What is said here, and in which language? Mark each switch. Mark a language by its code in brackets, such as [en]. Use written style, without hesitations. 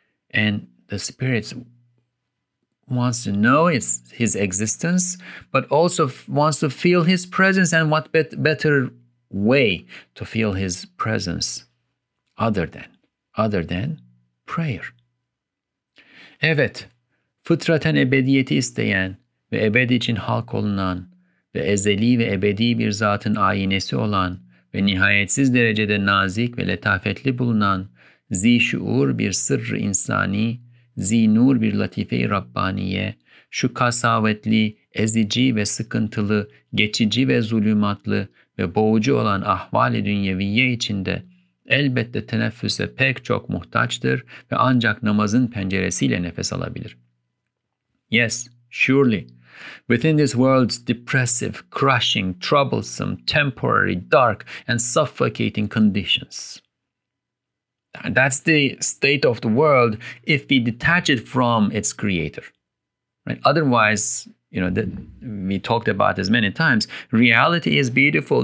[en] And the spirit wants to know his existence, but also wants to feel his presence. And what better way to feel his presence other than prayer? [tr] Evet, fıtraten ebediyeti isteyen ve ebed için halk olunan ve ezeli ve ebedi bir zatın aynesi olan ve nihayetsiz derecede nazik ve letafetli bulunan zişuur bir sırrı insani, zinur bir latife-i Rabbaniye, şu kasavetli, ezici ve sıkıntılı, geçici ve zulümatlı ve boğucu olan ahval-i dünyeviye içinde elbette teneffüse pek çok muhtaçtır ve ancak namazın penceresiyle nefes alabilir. [en] Yes, surely, Within this world's depressive, crushing, troublesome, temporary, dark, and suffocating conditions. And that's the state of the world if we detach it from its creator. Right? Otherwise, you know, we talked about this many times, reality is beautiful.